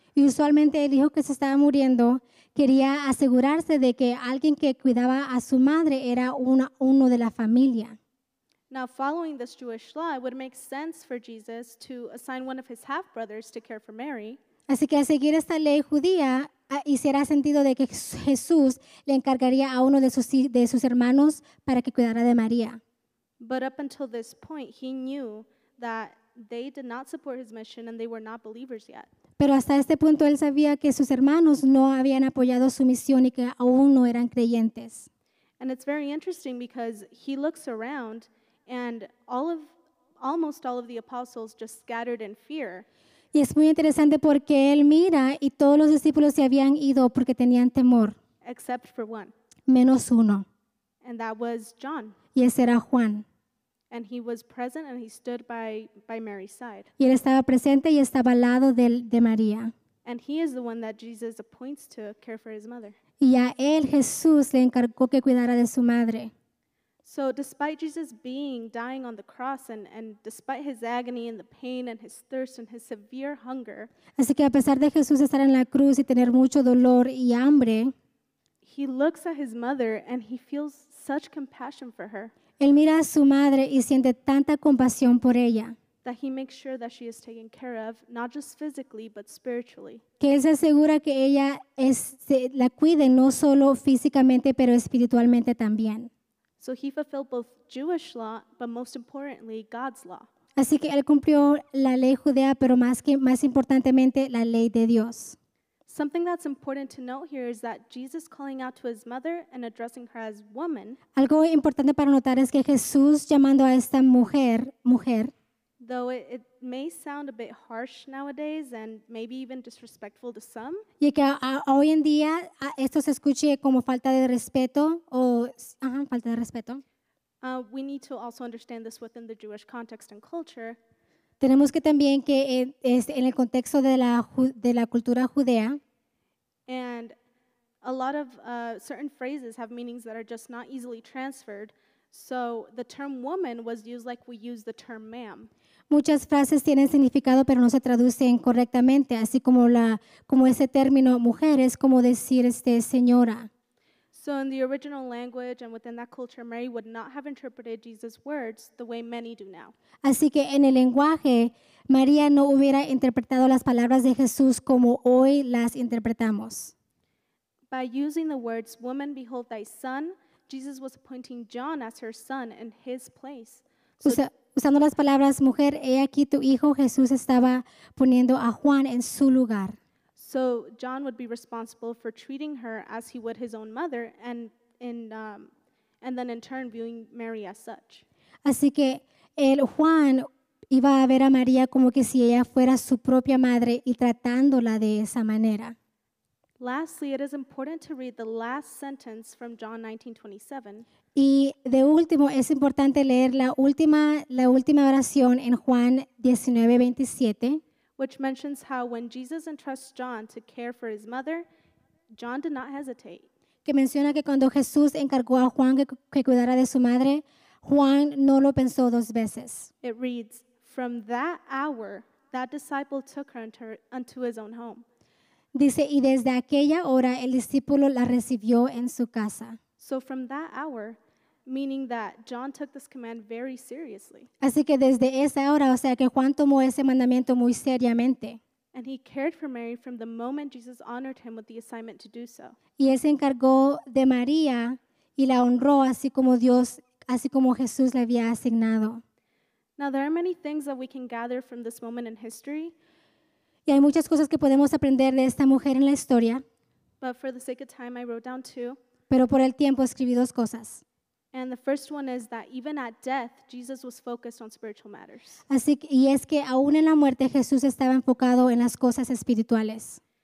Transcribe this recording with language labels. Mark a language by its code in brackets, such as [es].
[es] Y usualmente el hijo que se estaba muriendo quería asegurarse de que alguien que cuidaba a su madre era uno de la familia. [en] Now, following this Jewish law, it would make sense for Jesus to assign one of his half-brothers to care for Mary. [es] Así que al seguir esta ley judía, hiciera sentido de que Jesús le encargaría a uno de sus hermanos para que cuidara de María. [en] But up until this point, he knew that they did not support his mission and they were not believers yet. [es] Pero hasta este punto él sabía que sus hermanos no habían apoyado su misión y que aún no eran creyentes. [en] And it's very interesting because he looks around and almost all of the apostles just scattered in fear. [es] Y es muy interesante porque él mira y todos los discípulos se habían ido porque tenían temor. [en] Except for one. [es] Menos uno. [en] And that was John. [es] Y ese era Juan. [en] And he was present and he stood by Mary's side. [es] Y él estaba presente y estaba al lado de María. [en] And he is the one that Jesus appoints to care for his mother. [es] Y a él Jesús le encargó que cuidara de su madre. [en] So despite Jesus being dying on the cross and despite his agony and the pain and his thirst and his severe hunger, [es] así que a pesar de Jesús estar en la cruz y tener mucho dolor y hambre, [en] he looks at his mother and he feels such compassion for her. [es] Él mira a su madre y siente tanta compasión por ella. [en] That he makes sure that she is taken care of, not just physically but spiritually. [es] Que él se asegura que ella la cuide no solo físicamente pero espiritualmente también. [en] So he fulfilled both Jewish law, but most importantly, God's law. [es] Así que él cumplió la ley judía, pero más importantemente, la ley de Dios. [en] Something that's important to note here is that Jesus calling out to his mother and addressing her as woman. [es] Algo importante para notar es que Jesús llamando a esta mujer, mujer. [en] Though it may sound a bit harsh nowadays and maybe even disrespectful to some. [es] Y que hoy en día esto se escuche como falta de respeto o falta de respeto. [en] We need to also understand this within the Jewish context and culture. [es] Tenemos que también que en el contexto de la cultura judea. [en] And a lot of certain phrases have meanings that are just not easily transferred. So the term woman was used like we use the term ma'am. [es] Muchas frases tienen significado pero no se traducen correctamente, así como como ese término mujer es como decir señora. [en] So in the original language and within that culture, Mary would not have interpreted Jesus' words the way many do now. [es] Así que en el lenguaje, María no hubiera interpretado las palabras de Jesús como hoy las interpretamos. [en] By using the words, woman, behold thy son, Jesus was appointing John as her son in his place. [es] Usando las palabras, mujer, he aquí tu hijo, Jesús estaba poniendo a Juan en su lugar. [en] So John would be responsible for treating her as he would his own mother and then in turn viewing Mary as such. [es] Así que el Juan iba a ver a María como que si ella fuera su propia madre y tratándola de esa manera. [en] Lastly, it is important to read the last sentence from John 19:27. [es] Y de último, es importante leer la última oración en Juan 19:27. [en] Which mentions how when Jesus entrusts John to care for his mother, John did not hesitate. [es] Que menciona que cuando Jesús encargó a Juan que cuidara de su madre, Juan no lo pensó dos veces. [en] It reads, from that hour, that disciple took her unto his own home. [es] Dice, y desde aquella hora, el discípulo la recibió en su casa. [en] So from that hour, meaning that John took this command very seriously. [es] Así que desde esa hora, o sea que Juan tomó ese mandamiento muy seriamente. [en] And he cared for Mary from the moment Jesus honored him with the assignment to do so. [es] Y él se encargó de María y la honró así como Jesús le había asignado. [en] Now there are many things that we can gather from this moment in history. [es] Y hay muchas cosas que podemos aprender de esta mujer en la historia. [en] But for the sake of time, I wrote down two. [es] Pero por el tiempo escribí dos cosas. [en] And the first one is that even at death, Jesus was focused on spiritual matters. [es] Así que, y es que aún en la muerte, Jesús estaba enfocado en las cosas espirituales.